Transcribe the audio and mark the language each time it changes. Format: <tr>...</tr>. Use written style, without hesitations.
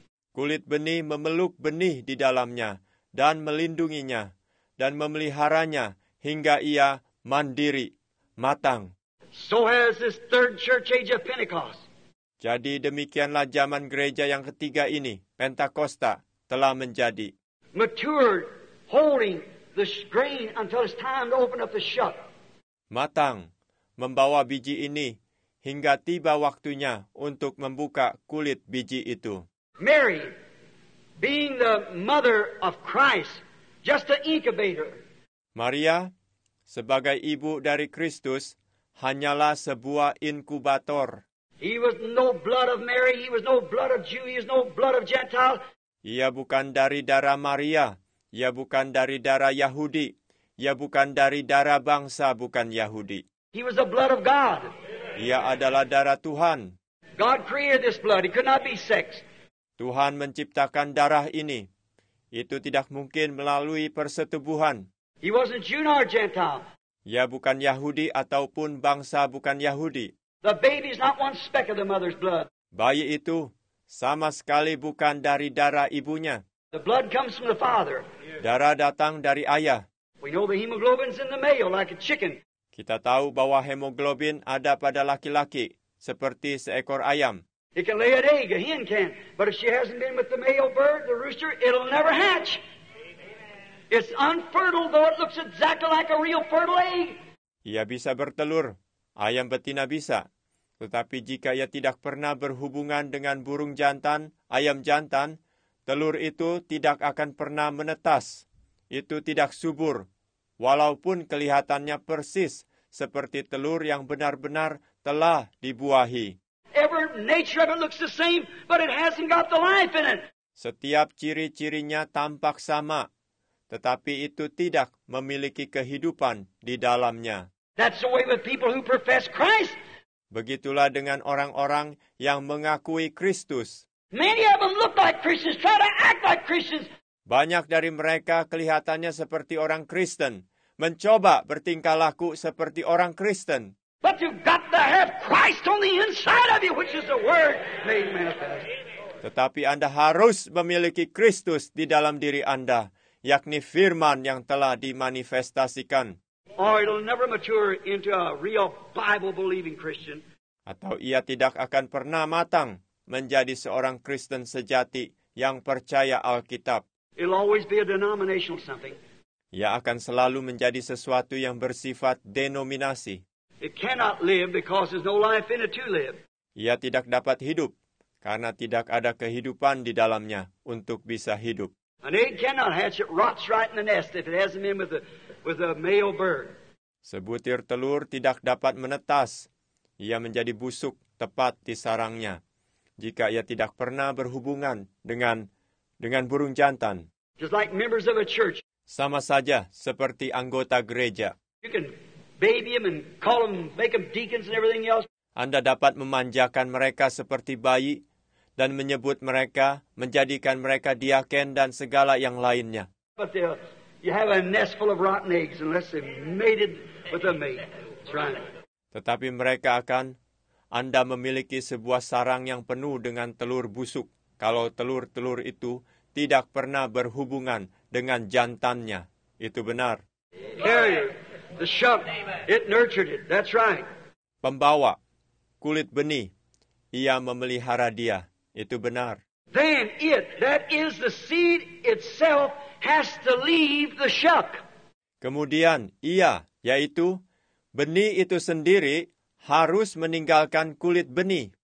<id>Kulit benih memeluk benih di dalamnya dan melindunginya dan memeliharanya hingga ia mandiri, matang.</id> <en>So has this third church age of Pentecost.</en> <id>Jadi demikianlah zaman gereja yang ketiga ini, Pentakosta, telah menjadi.</id> <en>Matured, holding the grain until it's time to open up the shuck.</en> <id>Matang, membawa biji ini hingga tiba waktunya untuk membuka kulit biji itu.</id> <en>Mary, being the mother of Christ, just the incubator.</en> <id>Maria, sebagai ibu dari Kristus, hanyalah sebuah inkubator.</id> <en>He was no blood of Mary. He was no blood of Jew. He was no blood of Gentile.</en> <id>Ia bukan dari darah Maria. Ia bukan dari darah Yahudi. Ia bukan dari darah bangsa bukan Yahudi.</id> <en>He was the blood of God.</en> <id>Ia adalah darah Tuhan.</id> <en>God created this blood. It could not be sex.</en> <id>Tuhan menciptakan darah ini. Itu tidak mungkin melalui persetubuhan.</id> <en>He wasn't Jew nor Gentile.</en> <id>Ia bukan Yahudi ataupun bangsa bukan Yahudi.</id> <en>The baby's not one speck of the mother's blood.</en> <id>Bayi itu sama sekali bukan dari darah ibunya.</id> <en>The blood comes from the father.</en> <id>Darah datang dari ayah.</id> <en>We know the hemoglobin's in the male like a chicken.</en> <id>Kita tahu bahwa hemoglobin ada pada laki-laki seperti seekor ayam.</id> <en>It can lay an egg, a hen can, but if she hasn't been with the male bird, the rooster, it'll never hatch. It's unfertile, though it looks exactly like a real fertile egg.</en> <id>Ia bisa bertelur, ayam betina bisa, tetapi jika ia tidak pernah berhubungan dengan burung jantan, ayam jantan, telur itu tidak akan pernah menetas. Itu tidak subur, walaupun kelihatannya persis seperti telur yang benar-benar telah dibuahi.</id> <en>Every nature of it looks the same, but it hasn't got the life in it.</en> <id>Setiap ciri-cirinya tampak sama, tetapi itu tidak memiliki kehidupan di dalamnya.</id> <en>That's the way with people who profess Christ.</en> <id>Begitulah dengan orang-orang yang mengakui Kristus.</id> <en>Many of them look like Christians, try to act like Christians.</en> <id>Banyak dari mereka kelihatannya seperti orang Kristen, mencoba bertingkah laku seperti orang Kristen.</id> <en>But you've got to have Christ on the inside of you, which is the Word made manifest.</en> <id>Tetapi Anda harus memiliki Kristus di dalam diri Anda, yakni Firman yang telah dimanifestasikan.</id> <en>Or it'll never mature into a real Bible-believing Christian.</en> <id>Atau ia tidak akan pernah matang menjadi seorang Kristen sejati yang percaya Alkitab.</id> <en>It'll always be a denominational something.</en> <id>Ia akan selalu menjadi sesuatu yang bersifat denominasi.</id> <en>It cannot live because there's no life in it to live.</en> <id>Ia tidak dapat hidup karena tidak ada kehidupan di dalamnya untuk bisa hidup.</id> <en>An egg cannot hatch, it rots right in the nest if it hasn't been with a male bird.</en> <id>Sebutir telur tidak dapat menetas. Ia menjadi busuk tepat di sarangnya jika ia tidak pernah berhubungan dengan burung jantan.</id> <en>Just like members of a church.</en> <id>Sama saja seperti anggota gereja.</id> <en>You can baby them and call them, make them deacons and everything else.</en> <id>Anda dapat memanjakan mereka seperti bayi dan menyebut mereka, menjadikan mereka diaken dan segala yang lainnya.</id> <en>But you have a nest full of rotten eggs unless they mated with a mate. Right.</en> <id>Tetapi mereka akan, Anda memiliki sebuah sarang yang penuh dengan telur busuk kalau telur-telur itu tidak pernah berhubungan dengan jantannya. Itu benar.</id> <en>Carrier. The shuck, it nurtured it. That's right.</en> <id>Pembawa, kulit benih, ia memelihara dia. Itu benar.</id> <en>Then it, that is the seed itself, has to leave the shuck.</en> <id>Kemudian ia, yaitu benih itu sendiri, harus meninggalkan kulit benih.</id>